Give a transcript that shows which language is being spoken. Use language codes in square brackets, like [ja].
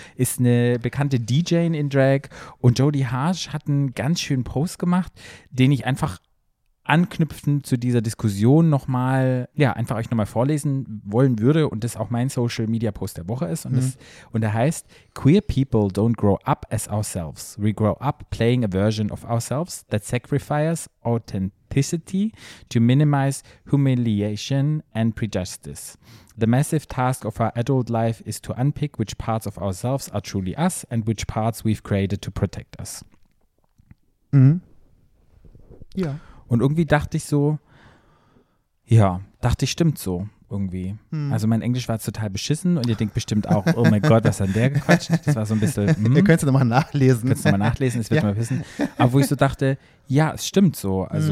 [de] Ist eine bekannte DJ in Drag. Und Jodie Harsh hat einen ganz schönen Post gemacht, den ich einfach anknüpfend zu dieser Diskussion nochmal, ja, einfach euch nochmal vorlesen wollen würde, und das auch mein Social Media Post der Woche ist. Und der heißt: [en] Queer people don't grow up as ourselves. We grow up playing a version of ourselves that sacrifices authenticity to minimize humiliation and prejudice. The massive task of our adult life is to unpick which parts of ourselves are truly us and which parts we've created to protect us. [de] Ja. Und irgendwie dachte ich so, stimmt so irgendwie. Also mein Englisch war total beschissen, und ihr denkt bestimmt auch, oh mein Gott, was hat der gequatscht? Das war so ein bisschen, Ihr könnt es nochmal nachlesen. Könnt es nochmal nachlesen, das wird mal wissen. Aber wo ich so dachte, ja, es stimmt so.